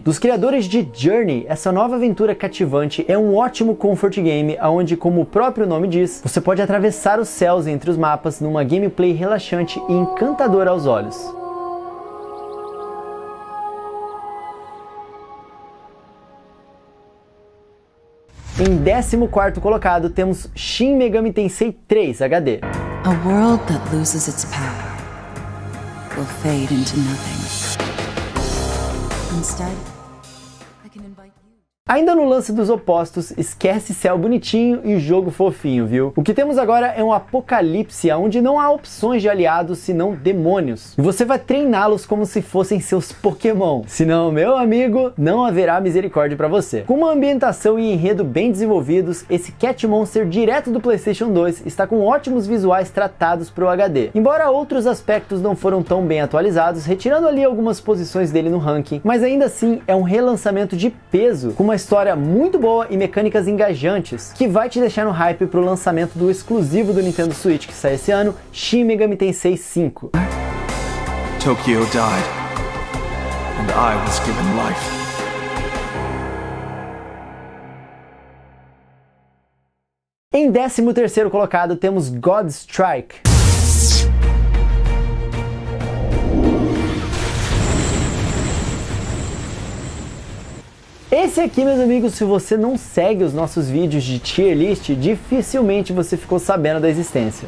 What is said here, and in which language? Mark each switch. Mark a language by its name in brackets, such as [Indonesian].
[Portuguese] Dos criadores de Journey, essa nova aventura cativante é um ótimo comfort game, onde, como o próprio nome diz, você pode atravessar os céus entre os mapas numa gameplay relaxante e encantadora aos olhos. Em 14º colocado temos Shin Megami Tensei 3 HD. [English] A world that loses its path will fade into nothing. Instead, I can invite you. [Portuguese] Ainda no lance dos opostos, esquece céu bonitinho e jogo fofinho, viu? O que temos agora é um apocalipse onde não há opções de aliados senão demônios. E você vai treiná-los como se fossem seus Pokémon. Senão, meu amigo, não haverá misericórdia pra você. Com uma ambientação e enredo bem desenvolvidos, esse Cat Monster direto do PlayStation 2 está com ótimos visuais tratados pro HD. Embora outros aspectos não foram tão bem atualizados, retirando ali algumas posições dele no ranking, mas ainda assim é um relançamento de peso, com uma história muito boa e mecânicas engajantes, que vai te deixar no hype pro lançamento do exclusivo do Nintendo Switch que sai esse ano, Shin Megami Tensei 5. [English] Tokyo died, and I was given life. [Portuguese] Em 13º colocado temos God Strike. Esse aqui, meus amigos, se você não segue os nossos vídeos de tier list, dificilmente você ficou sabendo da existência.